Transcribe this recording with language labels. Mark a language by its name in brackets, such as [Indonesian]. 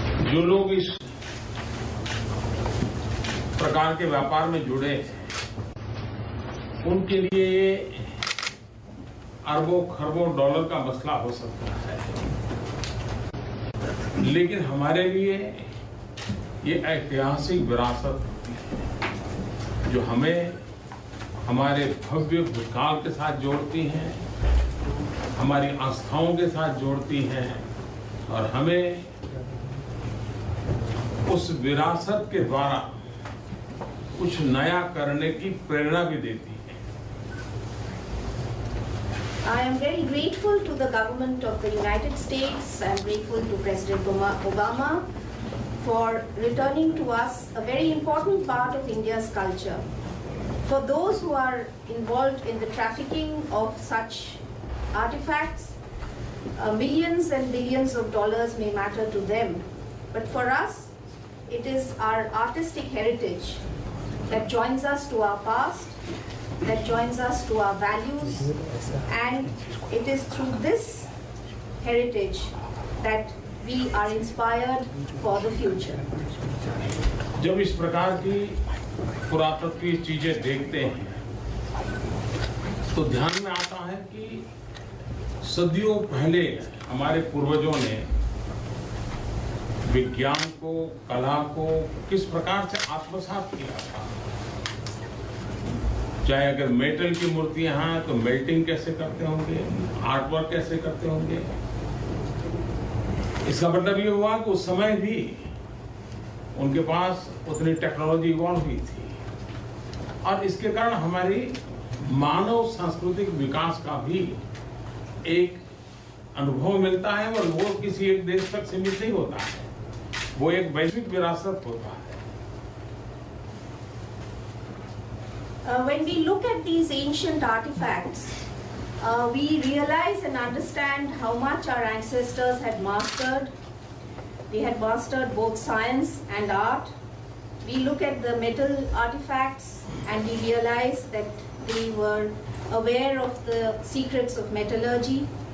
[Hindi] जो लोग इस प्रकार के व्यापार में जुड़े उनके लिए ये अरबों खरबों डॉलर का मसला हो सकता है, लेकिन हमारे लिए ये ऐतिहासिक विरासत जो हमें हमारे भव्य भूतकाल के साथ जोड़ती है, हमारी आस्थाओं के साथ जोड़ती है और हमें उस विरासत के द्वारा कुछ नया करने की प्रेरणा भी देती है। [English] I am very grateful to the government of the United States. I am grateful to President Obama for returning to us a very important part of India's culture. For those who are involved in the trafficking of such artifacts, millions and billions of dollars may matter to them. But for us, it is our artistic heritage that joins us to our past, that joins us to our values, and it is through this heritage that we are inspired for the future. [Hindi] जब इस प्रकार की पुरातत्व की चीजें देखते हैं तो ध्यान में आता है कि सदियों पहले हमारे पूर्वजों ने विज्ञान को कला को किस प्रकार से आत्मसात किया था, चाहे अगर मेटल की मूर्तियां हैं तो मेल्टिंग कैसे करते होंगे, आर्टवर्क कैसे करते होंगे। इसका मतलब ये हुआ कि उस समय भी उनके पास उतनी टेक्नोलॉजी इवॉल्व हुई थी और इसके कारण हमारी मानव सांस्कृतिक विकास का भी एक अनुभव मिलता है और वो किसी एक देश तक सीमित नहीं होता है, वो एक वैश्विक विरासत होता है। [English] When we look at these ancient artifacts, we realize and understand how much our ancestors had mastered. They had mastered both science and art. We look at the metal artifacts and we realize that they were aware of the secrets of metallurgy.